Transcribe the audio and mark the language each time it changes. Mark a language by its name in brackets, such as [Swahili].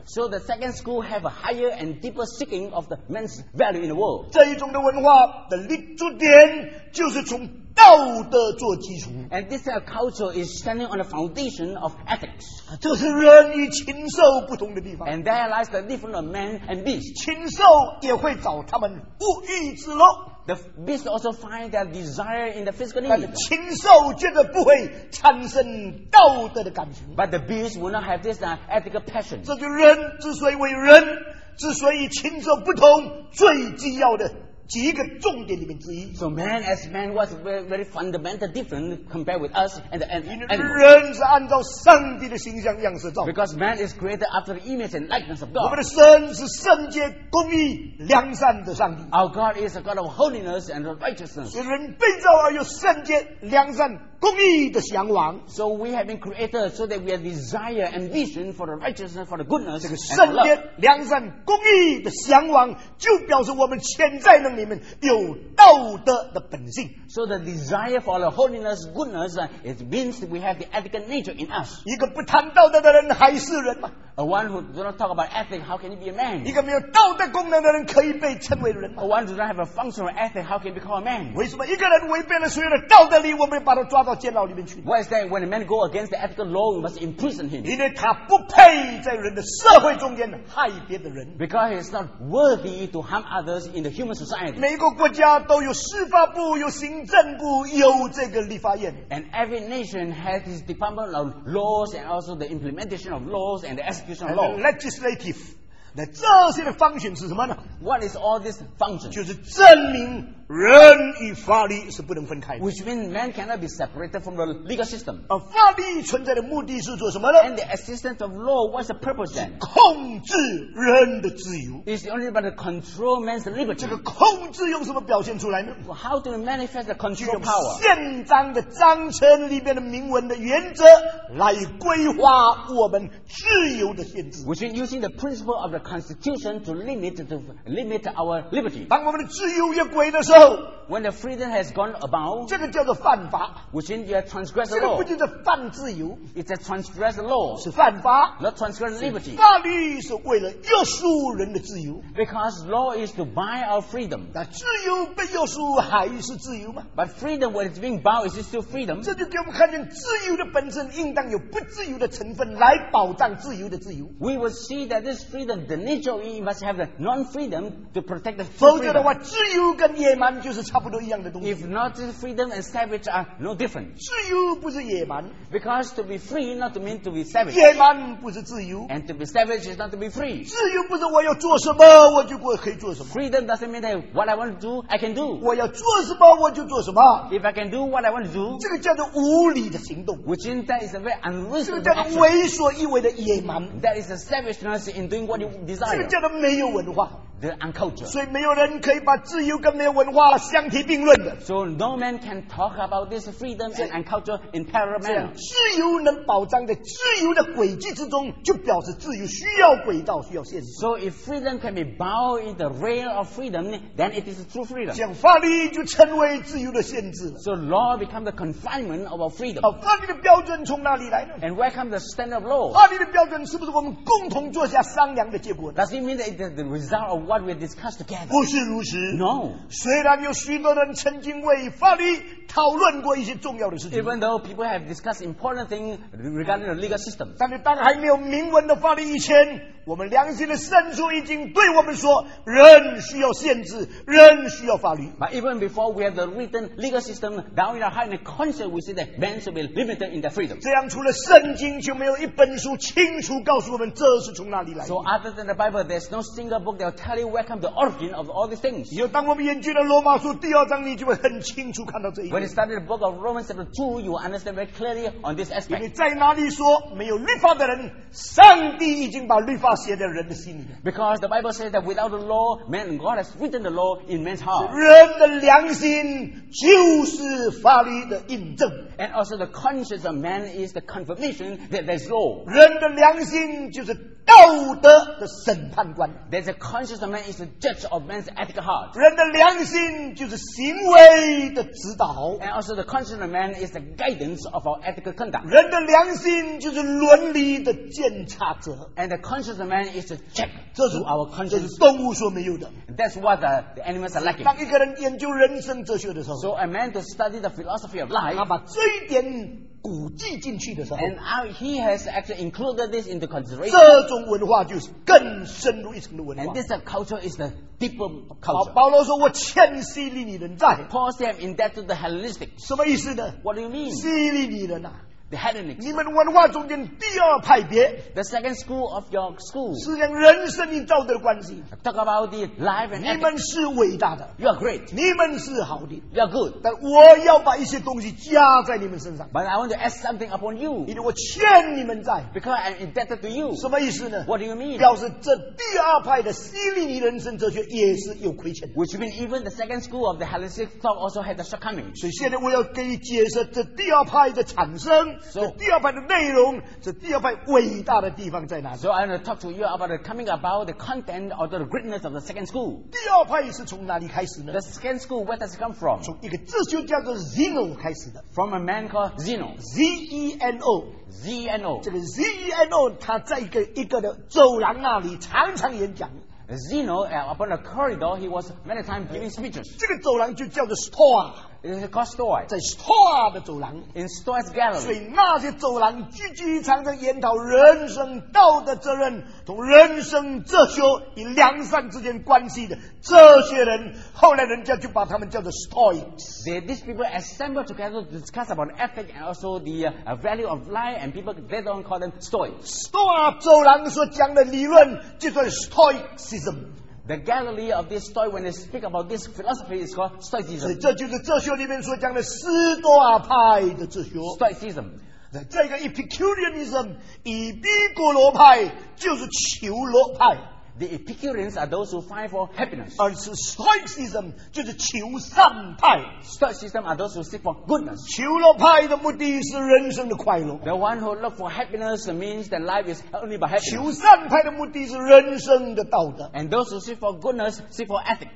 [English] So the second school have a higher and deeper seeking of the man's value in the world. [Chinese] 这一种的文化的立足点就是从道德做基础。 [English] And this culture is standing on the foundation of ethics. [Chinese] 这是人与禽兽不同的地方。 [English] And there lies the difference of man and beast. [Chinese] 禽兽也会找他们物欲之乐。 [English] The beast also find their desire in the physical need. [Chinese] 禽兽绝对不会产生道德的感情。 [English] But the beast will not have this ethical passion. [Chinese] 这就人之所以为人，之所以禽兽不同，最重要的几个重点里面之一。 [English] So man as man was very, very fundamental different compared with us and the animals. [Chinese] 人是按照上帝的形象样式造。 [English] Because man is created after the image and likeness of God. [Chinese] 我们的神是圣洁、公义、良善的上帝。 [English] Our God is a God of holiness and righteousness. [Chinese] 所以人被造而有圣洁、良善、公义的向往。 [English] So we have been created so that we have desire and vision for the righteousness, for the goodness. [Chinese] 这个圣洁、良善、公义的向往，就表示我们潜在里面有道德的本性。 [English] So the desire for the holiness, goodness, it means we have the ethical nature in us. [Chinese] 一个不谈道德的人还是人吗？ [English] A one who does not talk about ethics, how can he be a man? [Chinese] 一个没有道德功能的人可以被称为人吗？ [English] A one who does not have a functional ethic, how can he be called a man? [Chinese] 为什么一个人违背了所有的道德理，我们把他抓到监牢里面去？ [English] Why is that when a man goes against the ethical law, we must imprison him? [Chinese] 因为他不配在人的社会中间害别的人。 [English] Because he is not worthy to harm others in the human society. [Chinese] 每个国家都有司法部，有行政部，有这个立法院。 [English] And every nation has its department of laws and also the implementation of laws and the execution of law. Legislative. [Chinese] 那这些的 function 是什么呢？ [English] What is all this function? [Chinese] 就是证明人与法律是不能分开的。 [English] Which means man cannot be separated from the legal system. [Chinese] 法律存在的目的是做什么呢？ [English] And the existence of law, what's the purpose then? [Chinese] 控制人的自由。 [English] It's only about to control man's liberty. [Chinese] 这个控制用什么表现出来呢？ [English] Well, how do we manifest the control of power? [Chinese] 用宪章的章程里面的明文的原则来规划我们自由的限制。 [English] Which means using the principle of the constitution to limit our liberty. [Chinese] 当我们的自由越轨的时候， [English] when the freedom has gone about, [Chinese] 这个叫做犯法。 [English] Which means you have transgressed the law. [Chinese] 这个不仅是犯自由， [English] it's a transgressed law. [Chinese] 是犯法， [English] not transgressed liberty. [Chinese] 法律是为了约束人的自由。 [English] Because law is to bind our freedom. [Chinese] 那自由被约束还是自由吗？ [English] But freedom when it's being bound, is it still freedom? [Chinese] 这就给我们看见自由的本身应当有不自由的成分来保障自由的自由。 [English] We will see that this freedom, the nature of it must have the non-freedom to protect the freedom. [Chinese] 否则的话，自由跟野蛮就是差不多一样的东西。 [English] If not, freedom and savage are no different. [Chinese] 自由不是野蛮。 [English] Because to be free not to mean to be savage. [Chinese] 野蛮不是自由。 [English] And to be savage is not to be free. [Chinese] 自由不是我要做什么我就可以做什么。 [English] Freedom doesn't mean that what I want to do, I can do. [Chinese] 我要做什么我就做什么。 [English] If I can do what I want to do, [Chinese] 这个叫做无理的行动。 [English] Which in that is a very unreasonable action. [Chinese] 这个叫做为所欲为的野蛮。 [English] That is a savageness in doing what you desire. [Chinese] 这个叫做没有文化。 [English] The unculture. [Chinese] 所以没有人可以把自由跟没有文化了相提并论的。 [English] So no man can talk about this freedom and unculture in parallel manner. [Chinese] 自由能保障在自由的轨迹之中，就表示自由需要轨道，需要限制。 [English] So if freedom can be bound in the rail of freedom, then it is true freedom. [Chinese] 这样法律就成为自由的限制了。 [English] So law becomes the confinement of our freedom. [Chinese] 法律的标准从哪里来呢？ [English] And where comes the standard of law? [Chinese] 法律的标准是不是我们共同坐下商量的结果呢？ [English] Does it mean that it is the result of what we discussed together? [Chinese] 不是如此。 [English] No. [Chinese] 虽然有许多人曾经为法律讨论过一些重要的事情。 [English] Even though people have discussed important things regarding the legal system. [Chinese] 但是当还没有明文的法律以前，我们良心的深处已经对我们说，人需要限制，人需要法律。 [English] But even before we have the written legal system down in our heart and conscience, we say that men should be limited in their freedom. [Chinese] 这样除了圣经就没有一本书清楚告诉我们这是从哪里来的。 [English] So other than the Bible, there's no single book that tell you where come the origin of all these things. [Chinese] 有当我们研究了罗马书第二章，你就会很清楚看到这一点。 [English] When you study the book of Romans chapter 2, you will understand very clearly on this aspect. [Chinese] 因为在哪里说没有律法的人，上帝已经把律法写在人的心里。 [English] Because the Bible says that without the law, man God has written the law in man's heart. [Chinese] 人的良心就是法律的印证。 [English] And also the conscience of man is the confirmation that there's law. [Chinese] 人的良心就是道德的审判官。 [English] There's a conscience of man is the judge of man's ethical heart. [Chinese] 人的良心就是行为的指导。 [English] And also the conscience of man is the guidance of our ethical conduct. [Chinese] 人的良心就是伦理的监察者。 [English] And the conscience of man is the check. [Chinese] 这是 [English] our conscience. [Chinese] 这是动物所没有的。 [English] That's what the animals are lacking. [Chinese] 当一个人研究人生哲学的时候， [English] So a man to study the philosophy of life, [Chinese] 他把这一点古迹进去的时候， [English] and he has actually included this into consideration. [Chinese] 这种文化就是更深入一层的文化。 [English] And this culture is the deeper culture. [Chinese] 保罗说：“我欠希利尼人债。” [English] Paul said, "I'm indebted to the Hellenistic." [Chinese] 什么意思呢？ [English] What do you mean? [Chinese] 希利尼人啊！ [English] The Hellenic. [Chinese] 你们文化中间第二派别。 [English] The second school of your school. [Chinese] 是讲人生与道德关系。 [English] Talk about the life and. [Chinese] 你们是伟大的。 [English] You are great. [Chinese] 你们是好的。 [English] You are good. [Chinese] 但我要把一些东西加在你们身上。 [English] But I want to add something upon you. [Chinese] 因为我欠你们债。 [English] Because I'm indebted to you. [Chinese] 什么意思呢 [English] ？What do you mean? [Chinese] 表示这第二派的希利尼人生哲学也是有亏欠的。 [English] Which means even the second school of the Hellenic thought also had a shortcoming. [Chinese] 所以现在我要给你解释这第二派的产生。 [English] So, [Chinese] 这第二派的内容，这第二派伟大的地方在哪里 [English] ？So I want to talk to you about the coming about the content or the greatness of the second school. [Chinese] 第二派是从哪里开始呢 [English] ？The second school, where does it come from? [Chinese] 从一个哲学家叫做 Zeno 开始的。 [English] From a man called Zeno. Z-E-N-O. Z-E-N-O. [Chinese] 这个 Z-E-N-O 他在一个的走廊那里常常演讲。 [English] Zeno, upon a corridor, he was many times giving speeches. [Chinese] 这个走廊就叫做 Store. [English] It's called Stoa. [Chinese] 在 Stoa 的走廊 [English] In Stoa's gallery. [Chinese] 所以那些走廊聚集常常研讨人生道德责任同人生哲学与良善之间关系的这些人后来人家就把他们叫做 Stoics. [English] These people assemble together to discuss about ethics and also the value of life and people they don't call them Stoics. [Chinese] Stoa 走廊所讲的理论就是 Stoicism. [English] The gallery of this story when they speak about this philosophy is called Stoicism. [Chinese] 所以这就是哲学里面所讲的斯多亚派的哲学。 [English] Stoicism. [Chinese] 这个 Epicureanism, 以比古罗派就是求乐派。 [English] The Epicureans are those who fight for happiness. [Chinese] 而是 Stoicism 就是求善派。 [English] Stoicism are those who seek for goodness. [Chinese] 求乐派的目的是人生的快乐。 [English] The one who look for happiness means that life is only by happiness. [Chinese] 求善派的目的是人生的道德。 [English] And those who seek for goodness seek for ethics.